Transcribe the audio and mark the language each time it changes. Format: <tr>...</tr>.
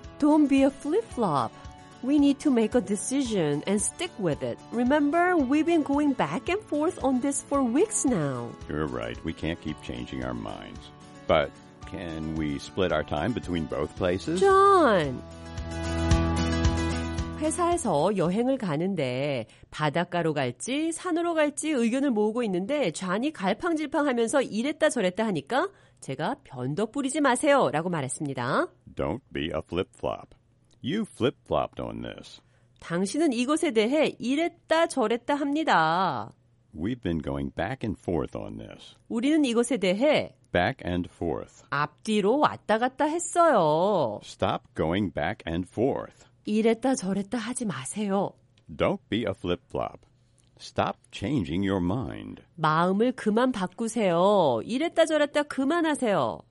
<en>Don't be a flip-flop. We need to make a decision and stick with it. Remember, we've been going back and forth on this for weeks now. You're right. We can't keep changing our minds. But can we split our time between both places? John!</en> <ko>회사에서 여행을 가는데 바닷가로 갈지 산으로 갈지 의견을 모으고 있는데 존이 갈팡질팡하면서 이랬다 저랬다 하니까 제가 변덕 부리지 마세요 라고 말했습니다.</ko> <en>Don't be a flip-flop. You flip-flopped on this.</en> <ko>당신은 이것에 대해 이랬다 저랬다 합니다.</ko> <en>We've been going back and forth on this.</en> <ko>우리는 이것에 대해</ko> <en>back and forth.</en> <ko>앞뒤로 왔다 갔다 했어요.</ko> <en>Stop going back and forth.</en> <ko>이랬다 저랬다 하지 마세요.</ko> <en>Don't be a flip-flop. Stop changing your mind.</en> <ko>마음을 그만 바꾸세요. 이랬다 저랬다 그만하세요.</ko>